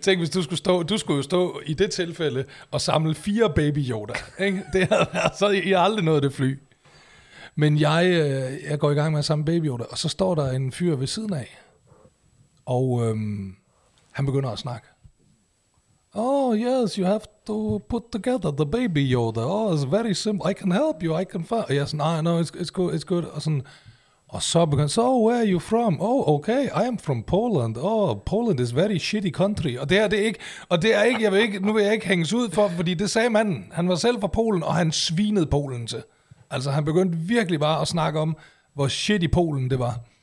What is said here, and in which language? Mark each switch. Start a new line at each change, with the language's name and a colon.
Danish: Tænk, hvis du skulle jo stå i det tilfælde og samle fire Baby Yoda. Det havde altså, I har aldrig nået det fly. Men jeg går i gang med at samle Baby Yoda, og så står der en fyr ved siden af, og han begynder at snakke.
English: Oh, yes, you have to put together the Baby Yoda. Oh, it's very simple. I can help you. I can find.
Danish: Og jeg er sådan,
English: no, it's good.
Danish: Og, sådan, og så begynder han,
English: so where are you from? Oh, okay, I am from Poland. Oh, Poland is very shitty country.
Danish: Og det er ikke, jeg vil ikke hænges ud for, fordi det sagde manden. Han var selv fra Polen, og han svinede Polen til. Altså, han begyndte virkelig bare at snakke om, hvor shit i Polen det var.